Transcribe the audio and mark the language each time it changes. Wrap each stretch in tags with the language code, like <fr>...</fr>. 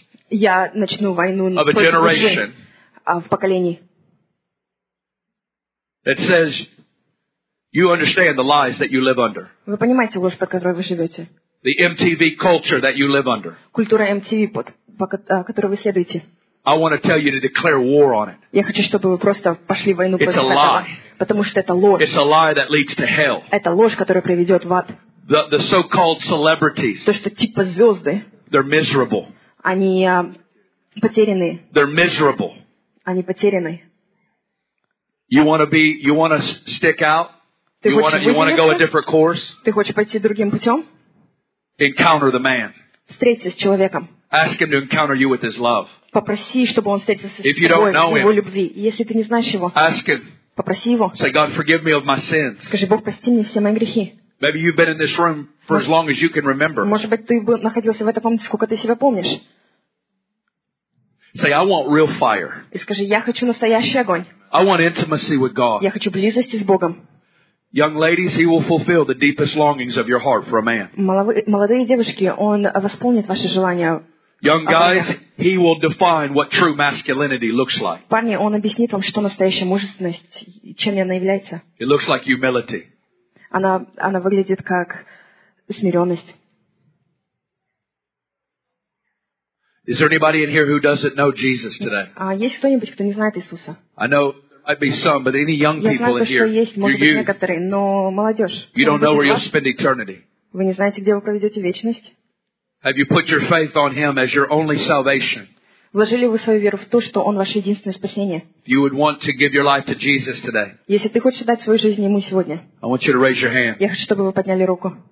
<ru>Я начну войну против лжи в поколении.</ru> <en>It says, you understand the lies that you live under.</en> <ru>Вы понимаете ложь, под которой вы живете.</ru> <en>The MTV culture that you live under.</en> <ru>Культура MTV, которой вы следуете.</ru> <en>I want to tell you to declare war on it.</en> <ru>Я хочу, чтобы вы просто пошли войну против этого.</ru> <en>It's a lie.</en> <ru>Потому что это ложь.</ru> <en>It's a lie that leads to hell.</en> <ru>Это ложь, которая приведет в ад.</ru> <en>The so-called celebrities.</en> <ru>То, что типа звезды.</ru> <en>They're miserable.</en> <ru>Они потеряны.</ru> <en>They're miserable.</en> <ru>Они потеряны.</ru> <en>You want to be, you want to stick out? You want to go a different course?</en> <ru>Ты хочешь пойти другим путем?</ru> <en>Encounter the man.</en> <ru>Встретиться с человеком.</ru> <en>Ask him to encounter you with his love.</en> <ru>Попроси, чтобы он встретился с тобой в его любви. Если ты не знаешь его,</ru> <en>ask him.</en> <ru>Попроси его.</ru> <en>Say, God, forgive me of my sins.</en> <ru>Скажи, Бог, прости мне все мои грехи.</ru> <en>Maybe you've been in this room for as long as you can remember.</en> <ru>Может быть, ты находился в этой комнате, сколько ты себя помнишь?</ru> <en>Say, I want real fire.</en> <ru>И скажи, я хочу настоящий огонь.</ru> <en>I want intimacy with God.</en> <ru>Я хочу близости с Богом.</ru> <en>Young ladies, He will fulfill the deepest longings of your heart for a man.</en> <ru>Молодые девушки, Он восполнит ваши желания.</ru> <en>Young guys, He will define what true masculinity looks like.</en> <ru>Парни, Он объяснит вам, что настоящая мужественность, чем она является.</ru> <en>It looks like humility.</en> <ru>Она выглядит как смиренность.</ru> <en>Is there anybody in here who doesn't know Jesus today?</en> <ru>Есть кто-нибудь, кто не знает Иисуса?</ru> <en>I know might be some, but any young people in here, you're youth. You don't know where you'll spend eternity.</en> <ru>Вы не знаете, где вы проведете вечность?</ru> <en>Have you put your faith on Him as your only salvation?</en> <ru>Вложили вы свою веру в то, что Он ваше единственное спасение?</ru> <en>You would want to give your life to Jesus today.</en> <ru>Если ты хочешь дать свою жизнь Ему сегодня,</ru> <en>I want you to raise your hand.</en> <ru>Я хочу, чтобы вы подняли руку.</ru>